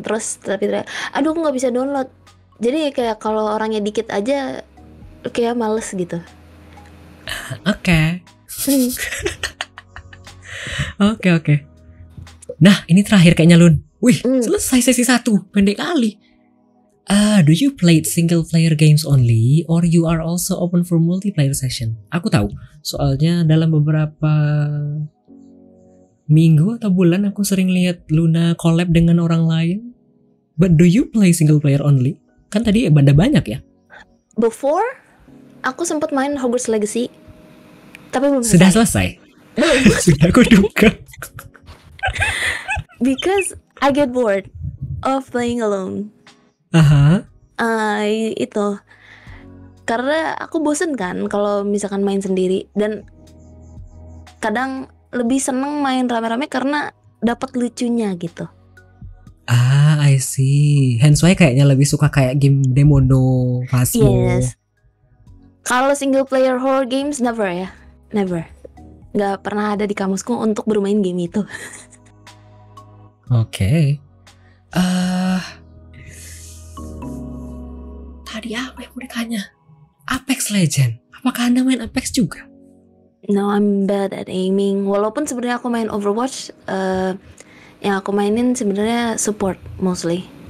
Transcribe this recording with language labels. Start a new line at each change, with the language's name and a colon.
Indonesian: Terus tapi aduh aku gak bisa download. Jadi kayak kalau orangnya dikit aja kayak males gitu. Oke. Nah ini terakhir kayaknya Lun. Wih selesai sesi 1, pendek kali.
English: Do you play single player games only, or you are also open for multiplayer session?
Indonesian: Aku tahu, soalnya dalam beberapa minggu atau bulan aku sering lihat Luna collab dengan orang lain.
English: But do you play single player only?
Indonesian: Kan tadi banda banyak ya. Before aku sempat main Hogwarts Legacy, tapi belum sudah selesai. Sudah aku duga.
English: Because I get bored of playing alone. Aha.
Indonesian: Itu karena aku bosen kan kalau misalkan main sendiri, dan kadang lebih seneng main rame-rame karena dapat lucunya gitu.
English: Ah, I see. Hence why
Indonesian: kayaknya lebih suka kayak game Demono, Phasmo.
English: Yes.
Indonesian: Kalau
English: single player horror games, never ya. Never.
Indonesian: Gak pernah ada di kamusku untuk bermain game itu. Oke. Tadi apa yang udah tanya? Apex Legend. Apakah Anda main Apex juga?
English: No, I'm bad at aiming.
Indonesian: Walaupun sebenarnya aku main Overwatch, yang aku mainin sebenarnya support mostly.